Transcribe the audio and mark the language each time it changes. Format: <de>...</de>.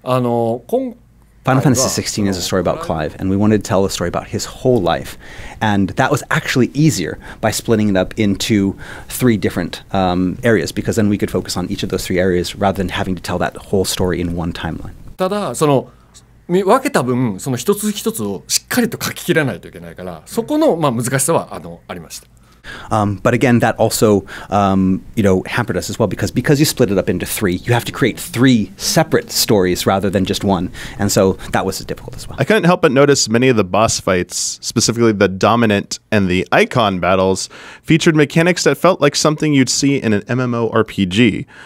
<en>Final Fantasy XVI is a story about Clive, and we wanted to tell a story about his whole life. And that was actually easier by splitting it up into three different areas, because then we could focus on each of those three areas rather than having to tell that whole story in one timeline.</en> <ja>ただその分けた分その一つ一つをしっかりと書き切らないといけないからそこのまあ難しさは ありました。</ja> <en>But again, that also, you know, hampered us as well because you split it up into three, you have to create three separate stories rather than just one, and so that was difficult as well. I couldn't help but notice many of the boss fights, specifically the Dominant and the Icon battles, featured mechanics that felt like something you'd see in an MMORPG.</en>